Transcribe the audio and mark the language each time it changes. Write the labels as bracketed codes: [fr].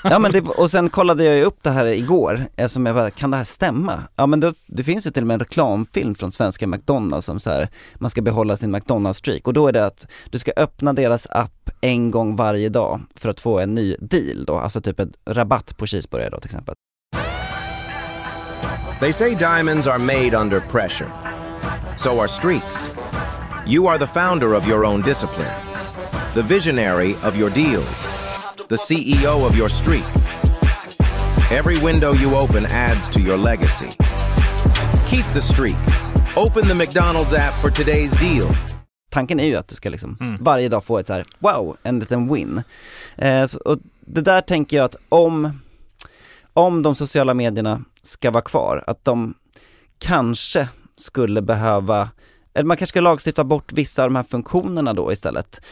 [sv] Ja, men och sen kollade jag upp det här igår. Som jag bara, kan det här stämma? Ja, men det finns ju till och med en reklamfilm från svenska McDonald's som så här, man ska behålla sin McDonald's streak. Och då är det att du ska öppna deras app en gång varje dag för att få en ny deal då. Alltså typ en rabatt på cheeseburger då till exempel. [en] They say diamonds are made under pressure. So are streaks. You are the founder of your own discipline, the visionary of your deals, the CEO of your street. Every window you open adds to your legacy. Keep the streak. Open the McDonald's app for today's deal. [sv] Tanken är ju att du ska liksom varje dag få ett så här wow, en liten win. Och det där tänker jag att om de sociala medierna ska vara kvar, att de kanske skulle behöva, eller man kanske ska lagstifta bort vissa av de här funktionerna då istället.